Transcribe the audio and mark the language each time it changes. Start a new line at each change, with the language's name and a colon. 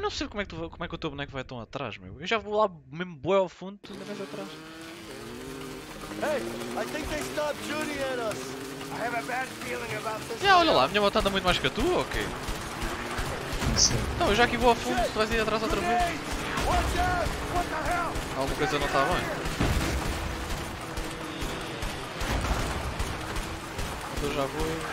Portuguese: Não sei como é que o teu boneco vai tão atrás, meu. Eu já vou lá mesmo bué ao fundo, tu ainda vais atrás.
English: Hey, I think they stopped shooting at us! I have a bad feeling about this. Yeah,
Portuguese: olha lá, a minha moto anda muito mais que a tua, ok? Não, eu já aqui vou a fundo, tu vais ir atrás outra vez. Alguma coisa não está bem. Então já vou.